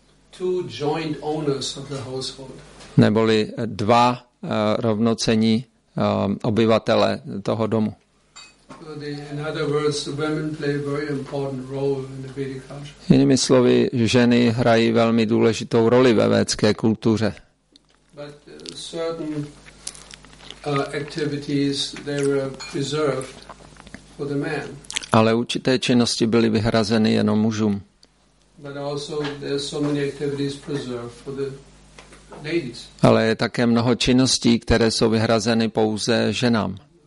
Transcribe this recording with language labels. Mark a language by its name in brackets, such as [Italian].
[English] Two joint owners of the household. [Czech] Neboli dva rovnocení obyvatele toho domu. [English] In other words, women play a very important role in the Vedic culture. [Czech] Jinými slovy, ženy hrají velmi důležitou roli ve védské kultuře. [English] But certain activities they were preserved for the man. [Czech] Ale určité činnosti byly vyhrazeny jenom mužům. [English] But also there are so many activities preserved for the ladies. [Czech] Ale je také mnoho činností, které jsou vyhrazeny pouze ženám.